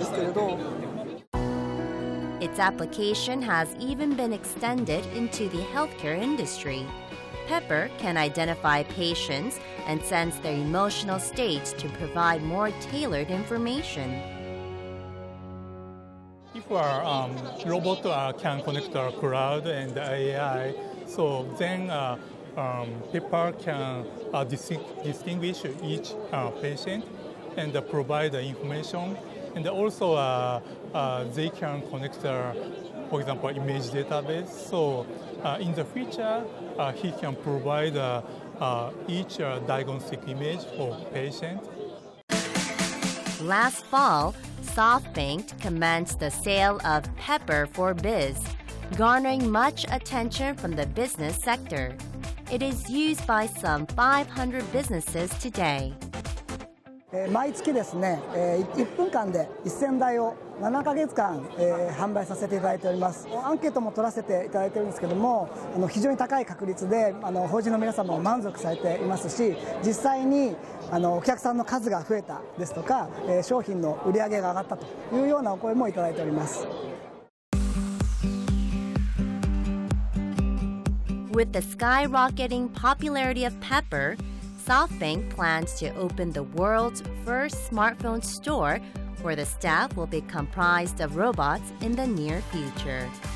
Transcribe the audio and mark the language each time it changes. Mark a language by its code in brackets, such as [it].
[ja] うちはスポーツ関連の施設をやってるんですけれど、すでに1台もう入れてます、ペッパーを。他の会社がどのように今使っているかを知りたくて見学に来ました。トレーニング会社なんですけれど、イベントなので、もし利用できたらいいかなって、今の営業の人と話してたんですけれど。 [en] Its application has even been extended into the healthcare industry. Pepper can identify patients and sense their emotional states to provide more tailored information. If our robot can connect our cloud and AI, so then Pepper can distinguish each patient and provide the information. And also they can connect our, for example, image database. So in the future, he can provide each diagnostic image for patient. Last fall, SoftBank commenced the sale of Pepper for Biz, garnering much attention from the business sector. It is used by some 500 businesses today. [ja] 毎月ですね、1分間で1000台を7ヶ月間、販売させていただいております。アンケートも取らせていただいているんですけども、非常に高い確率で法人の皆様も満足されていますし、実際にお客さんの数が増えたですとか、商品の売り上げが上がったというようなお声もいただいております。 [en] With the skyrocketing popularity of Pepper, SoftBank plans to open the world's first smartphone store where the staff will be comprised of robots in the near future.